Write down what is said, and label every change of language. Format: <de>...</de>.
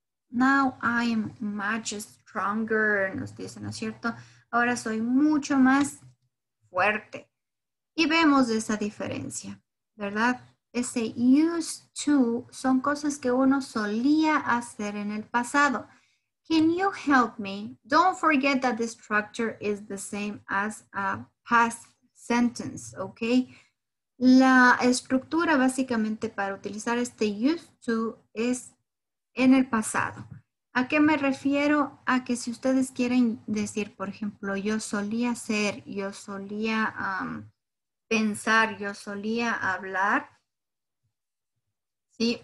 <en>Now I am much stronger,</en> <es>nos dice, ¿no es cierto? Ahora soy mucho más fuerte. Y vemos esa diferencia, ¿verdad? Ese used to son cosas que uno solía hacer en el pasado.</es> <en>Can you help me? Don't forget that the structure is the same as a past sentence, ¿ok?</en> <es>La estructura básicamente para utilizar este used to es en el pasado. ¿A qué me refiero? A que si ustedes quieren decir, por ejemplo, yo solía ser, yo solía pensar, yo solía hablar, ¿sí?</es>